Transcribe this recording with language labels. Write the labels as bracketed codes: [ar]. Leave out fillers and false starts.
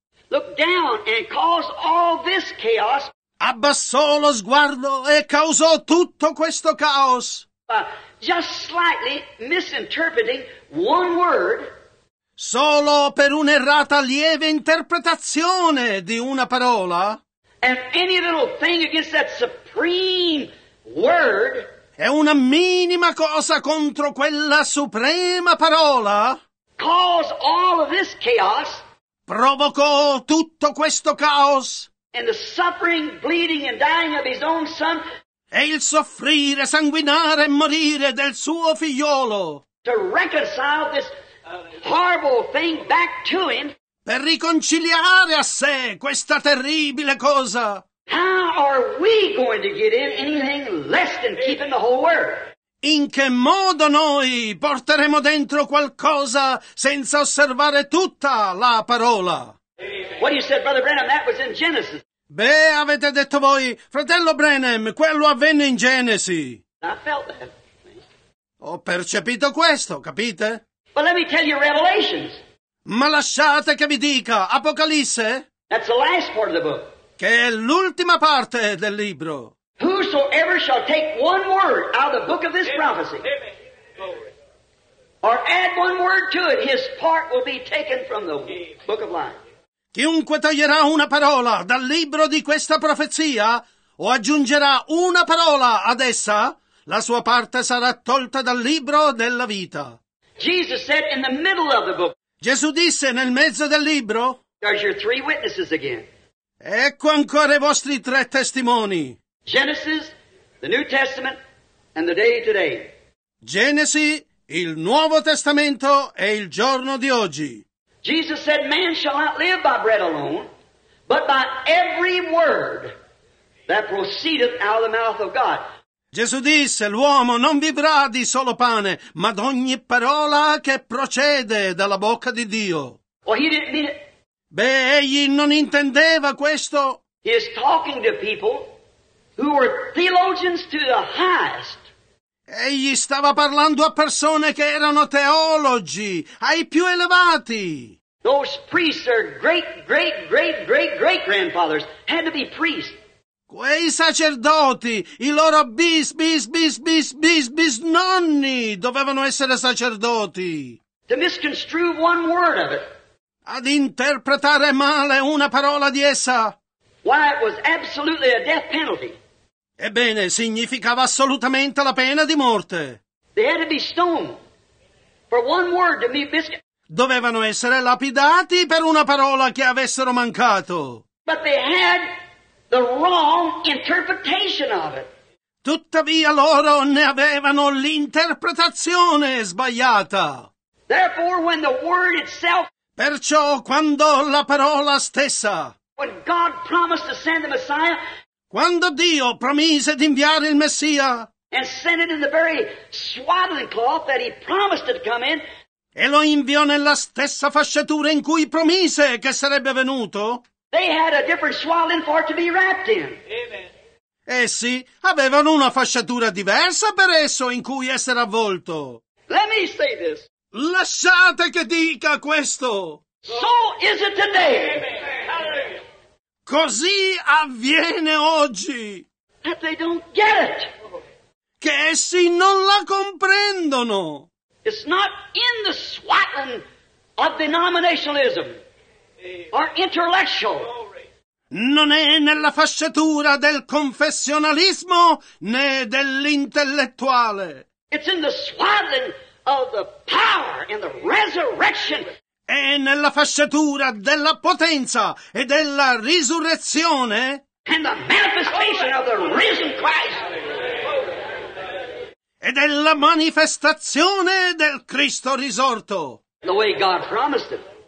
[en] look down and caused all this chaos, [it] abbassò lo sguardo e causò tutto questo caos, [en] just slightly misinterpreting one word, [it] solo per un'errata lieve interpretazione di una parola, [en] and any little thing against that supreme word, [it] è una minima cosa contro quella suprema parola, [en] caused all of this chaos, [it] provocò tutto questo caos, [en] and the suffering, bleeding and dying of his own son, [it] e il soffrire, sanguinare e morire del suo figliolo, [en] to reconcile this horrible thing back to him, [it] per riconciliare a sé questa terribile cosa. [en] How are we going to get in anything less than keeping the whole word? [it] In che modo noi porteremo dentro qualcosa senza osservare tutta la parola? [en] What you said, Brother Branham, that was in Genesis. [it] Beh, avete detto voi, fratello Branham, quello avvenne in Genesi. [en] I felt that. [it] Ho percepito questo, capite? [en] But let me tell you Revelations. [it] Ma lasciate che vi dica, Apocalisse? [en] That's the last part of the book. [it] Che è l'ultima parte del libro. [en] Whosoever shall take one word out of the book of this prophecy, or add one word to it, his part will be taken from the book of life. [it] Chiunque toglierà una parola dal libro di questa profezia, o aggiungerà una parola ad essa, la sua parte sarà tolta dal libro della vita. [en] Jesus said in the middle of the book, [it] Gesù disse nel mezzo del libro, [en] there's your three witnesses again. [it] Ecco ancora i vostri tre testimoni. [en] Genesis, the New Testament, and the day today. [it] Genesi, il Nuovo Testamento e il giorno di oggi. [en] Jesus said, man shall not live by bread alone, but by every word that proceedeth out of the mouth of God. [it] Gesù disse, l'uomo non vivrà di solo pane, ma d'ogni parola che procede dalla bocca di Dio. [en] Well, he didn't mean it. [it] Beh, egli non intendeva questo. [en] He is talking to people who were theologians to the highest. [it] Egli stava parlando a persone che erano teologi, ai più elevati. [en] Those priests are great, great, great, great, great grandfathers. Had to be priests. [it] Quei sacerdoti, i loro bis, bis, bis, bis, bis, bis nonni dovevano essere sacerdoti. [en] To misconstrue one word of it. [it] Ad interpretare male una parola di essa. [en] Why, it was absolutely a death penalty. [it] Ebbene, significava assolutamente la pena di morte. [en] They had to be stoned for one word to be [it] Dovevano essere lapidati per una parola che avessero mancato. [en] But they had the wrong interpretation of it. [it] Tuttavia loro ne avevano l'interpretazione sbagliata. [en] Therefore, when the word itself, [it] perciò quando la parola stessa, [en] when God promised to send the Messiah, [it] quando Dio promise di inviare il Messia, [en] and sent it in the very swaddling cloth that he promised it to come in, [it] e lo inviò nella stessa fasciatura in cui promise che sarebbe venuto, [en] they had a different swaddling for it to be wrapped in. [it] Essi avevano una fasciatura diversa per esso in cui essere avvolto. [en] Let me say this. [it] Lasciate che dica questo. [en] So is it today. [it] Così avviene oggi. [en] That they don't get it. [it] Che essi non la comprendono. [en] It's not in the swaddling of denominationalism or intellectual. [it] Non è nella fasciatura del confessionalismo né dell'intellettuale. [en] It's in the swaddling of the power and the resurrection. [it] È nella fasciatura della potenza e della risurrezione. [en] And the manifestation of the risen Christ. [it] E della manifestazione del Cristo risorto. [en] the way God promised it.